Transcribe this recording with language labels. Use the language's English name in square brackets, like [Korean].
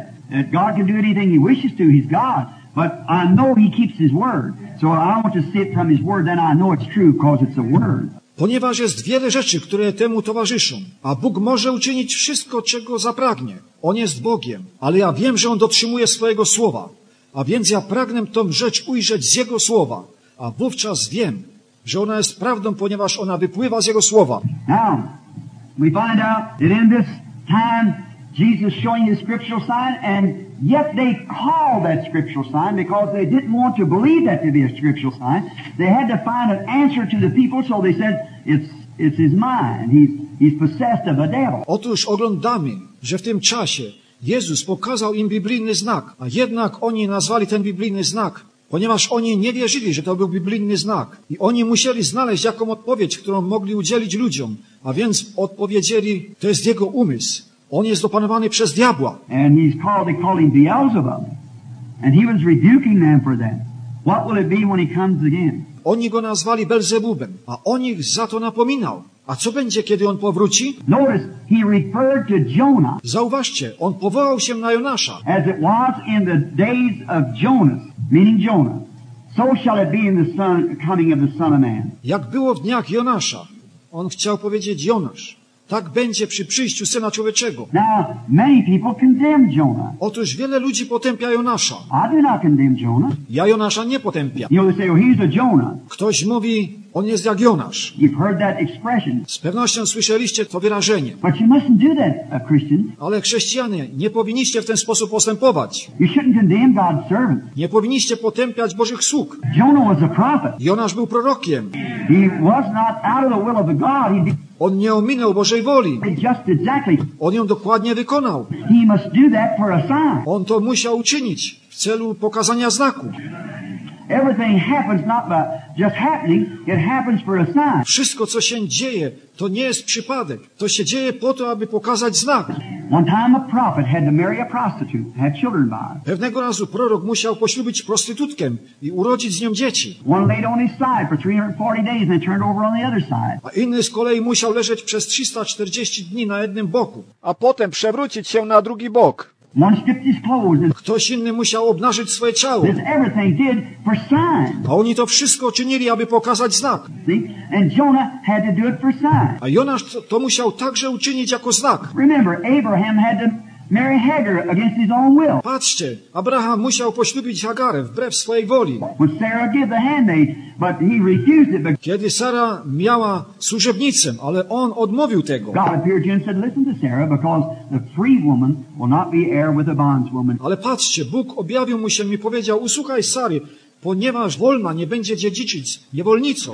[English] God can do anything he wishes to, he's God, but I know he keeps his word. So I want to sit from his word, then I know it's true because it's a word. [Polish] Ponieważ jest wiele rzeczy, które temu towarzyszą, a Bóg może uczynić wszystko, czego zapragnie. On jest Bogiem, ale ja wiem, że on dotrzymuje swojego słowa. A więc ja pragnę tą rzecz ujrzeć z jego słowa, a wówczas wiem, że ona jest prawdą, ponieważ ona wypływa z jego słowa. [English] Now, we find out that in this time Jesus showing his scriptural sign, and yet they call that scriptural sign because they didn't want to believe that to be a scriptural sign. They had to find an answer to the people, so they said, it's his mind. He's possessed of a devil. [Polish] Otóż oglądamy, że w tym czasie Jezus pokazał im biblijny znak, a jednak oni nazwali ten biblijny znak, ponieważ oni nie wierzyli, że to był biblijny znak. I oni musieli znaleźć jaką odpowiedź, którą mogli udzielić ludziom. A więc odpowiedzieli, to jest jego umysł. On jest opanowany przez diabła. [English] And he's called, they call him Beelzebub. And he was rebuking them for that. What will it be when he comes again? [Polish] Oni go nazwali Belzebubem, a on ich za to napominał. A co będzie, kiedy on powróci? [English] Notice, he referred to Jonah. [Polish] Zauważcie, on powołał się na Jonasza. [English] As it was in the days of Jonas, meaning Jonah, so shall it be in the son, coming of the Son of Man. [Polish] Jak było w dniach Jonasza, on chciał powiedzieć Jonasz. Tak będzie przy przyjściu Syna Człowieczego. [English] Now, many people condemn Jonah. [Polish] Otóż wiele ludzi potępia Jonasza. [English] I do not condemn Jonah. [Polish] Ja Jonasza nie potępiam. [English] You know, they say, oh, he's a Jonah. [Polish] Ktoś mówi, on jest jak Jonasz. [English] You've heard that expression. [Polish] Z pewnością słyszeliście to wyrażenie. [English] But you mustn't do that, a Christian. [Polish] Ale chrześcijanie, nie powinniście w ten sposób postępować. [English] You shouldn't condemn God's servant. [Polish] Nie powinniście potępiać Bożych sług. [English] Jonah was a prophet. [Polish] Jonasz był prorokiem. [English] He was not out of the will of the God. He did... [Polish] On nie ominął Bożej woli. [English] Just exactly. [Polish] On ją dokładnie wykonał. [English] He must do that for a sign. [Polish] On to musiał uczynić w celu pokazania znaku. [English] Everything happens not by just happening, it happens for a sign. [Polish] Wszystko co się dzieje, to nie jest przypadek. To się dzieje po to, aby pokazać znak. [English] One time a prophet had to marry a prostitute, had children by her. [Polish] Pewnego razu prorok musiał poślubić prostytutkę i urodzić z nią dzieci. [English] One laid on his side for 340 days and turned over on the other side. [Polish] A inny z kolei musiał leżeć przez 340 dni na jednym boku, a potem przewrócić się na drugi bok. [English] One stripped his clothes. [Polish] Ktoś inny musiał obnażyć swoje ciało. [English] This everything did for sign. [Polish] A oni to wszystko czynili, aby pokazać znak. [English] And Jonah had to do it for sign. [Polish] A Jonasz to musiał także uczynić jako znak. [English] Remember, Abraham had to marry Hagar against his own will. [Polish] Patrzcie, Abraham musiał poślubić Hagarę wbrew swojej woli. [English] When Sarah gave the handmaid, but he refused it. But... [Polish] Kiedy Sara miała służebnicę, ale on odmówił tego. [English] God appeared to him and said, "Listen to Sarah, because the free woman will not be heir with a bondswoman." [Polish] Ale patrzcie, Bóg objawił mu się i powiedział: "Usłuchaj Sary, ponieważ wolna nie będzie dziedziczyć niewolnicą."